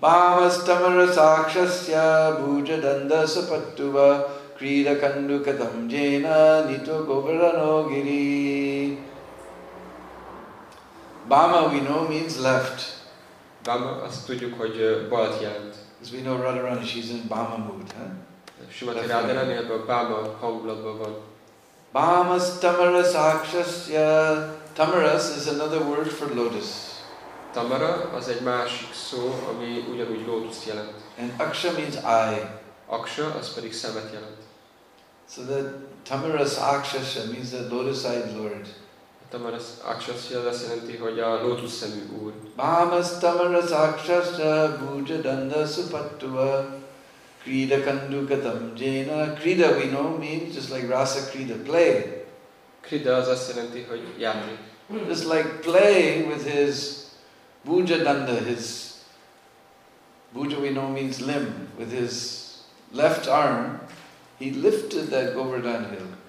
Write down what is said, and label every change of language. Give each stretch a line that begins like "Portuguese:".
Sanskrit: Bhavastamara sakshasya bhuja danda sapattuva krida kanduka damjena nito govarano giri.
English: Bhama, we know, means left.
Hungarian: Bhama, azt tudjuk, hogy balt jelent.
English: As we know, Radharani, she's in Bhama mood, huh?
Hungarian: Srimati Radharani, ebben a Bhama hangulatban van.
Sanskrit: Bhavastamara sakshasya.
English: Tamaras is another word for lotus.
Hungarian: Tamara az egy másik szó, ami ugyanúgy lotus jelent.
English: And aksha means eye.
Hungarian: Aksha az pedig szemet jelent.
English: So the tamaras akshasya means the lotus-eyed lord.
Hungarian: Tamaras akshasya azt jelenti, hogy a lotus szemű úr.
Sanskrit: Bhamas tamaras akshasya bhuja danda supattuva Krida kandukatam jena.
English: Krida, we know, means just like rasa krida, play.
Hungarian: Krida az azt jelenti, hogy játék.
English: Just like playing with his bhuja danda, his bhuja, we know, means limb. With his left arm, he lifted that Govardhan hill.